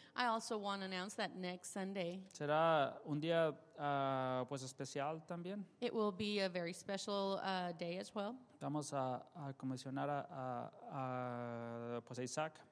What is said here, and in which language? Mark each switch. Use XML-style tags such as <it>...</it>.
<en>I also want to announce that next Sunday.</en> <es>Será un día pues especial también.</es> <en>It will be a very special day as well.</en> <es>Vamos a comisionar a pues a Isaac.</es>